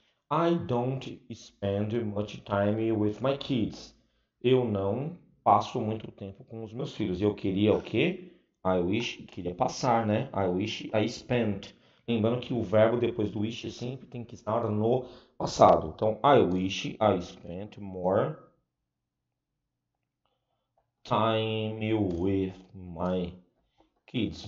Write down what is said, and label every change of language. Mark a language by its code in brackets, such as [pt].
[en] I don't spend much time with my kids. [pt] Eu não passo muito tempo com os meus filhos. Eu queria o quê? [en] I wish, [pt] queria passar, né? [en] I wish I spent. [pt] Lembrando que o verbo depois do wish sempre tem que estar no passado. Então, [en] I wish I spent more time with my kids.